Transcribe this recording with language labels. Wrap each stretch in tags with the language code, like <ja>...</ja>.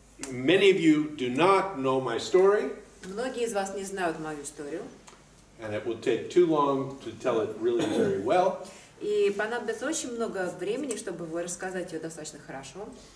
<en>Many of you do not know my story.</en> <ru>Многие из вас не знают мою историю.</ru> <en>And it will take too long to tell it really very well.</en> <ru>И понадобится очень много времени, чтобы рассказать ее достаточно хорошо.</ru>